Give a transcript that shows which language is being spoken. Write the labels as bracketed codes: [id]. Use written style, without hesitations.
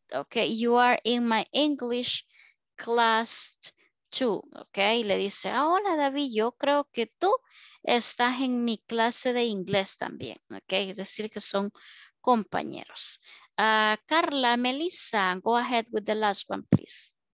[en] Okay, you are in my English class too. [es] Okay, le dice, hola, David. Yo creo que tú estás en mi clase de inglés también. Okay, es decir, que son compañeros. [en] Carla, Melissa, go ahead with the last one, please.